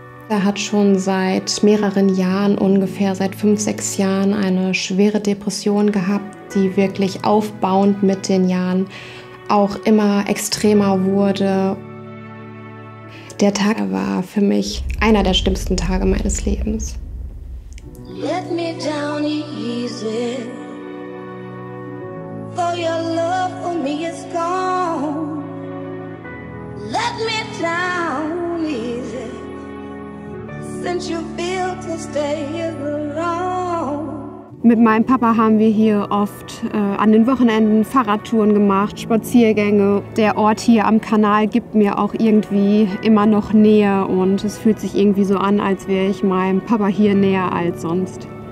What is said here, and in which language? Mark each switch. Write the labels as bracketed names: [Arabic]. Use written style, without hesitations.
[German] Er hat schon seit mehreren Jahren, ungefähr seit 5, 6 Jahren, eine schwere Depression gehabt, die wirklich aufbauend mit den Jahren auch immer extremer wurde. Der Tag war für mich einer der schlimmsten Tage meines Lebens. [English] Let me down easy, for your love for me is gone. Let me down easy, since you feel to stay here alone. [German] Mit meinem Papa haben wir hier oft an den Wochenenden Fahrradtouren gemacht, Spaziergänge. Der Ort hier am Kanal gibt mir auch irgendwie immer noch näher und es fühlt sich irgendwie so an, als wäre ich meinem Papa hier näher als sonst.